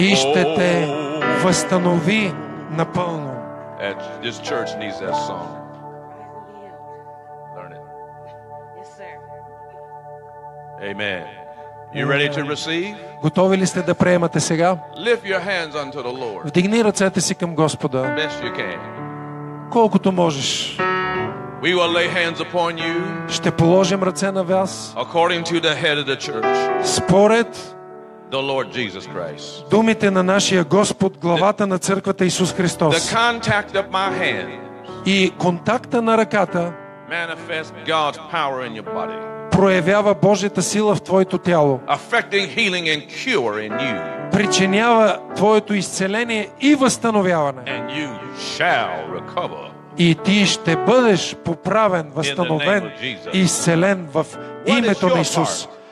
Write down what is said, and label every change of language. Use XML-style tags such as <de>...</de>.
<bg>И ще те възстанови напълно.</bg> <en>And this church needs that song. Amen. You ready to receive?</en> <bg>Готови ли сте да приемате сега?</bg> <en>Lift your hands unto the Lord.</en> <bg>Вдигни ръцете си към Господа.</bg> <en>Best you can.</en> <bg>Колкото можеш.</bg> <en>We will lay hands upon you.</en> <bg>Ще положим ръце на вас.</bg> <en>According to the head of the church.</en> <bg>Според</bg> <en>the Lord Jesus Christ.</en> <bg>Думите на нашия Господ, главата на църквата Исус Христос.</bg> <en>The contact of my hand.</en> <bg>И контакта на ръката.</bg> <en>manifest God's power in your body.</en> <bg>Проявява Божията сила в твоето тяло.</bg> <en>Affecting healing and cure in you.</en> <bg>Причинява твоето изцеление и възстановяване.</bg> <en>And you shall recover.</en> <bg>И ти ще бъдеш поправен, възстановен, изцелен в името на Исус.</bg>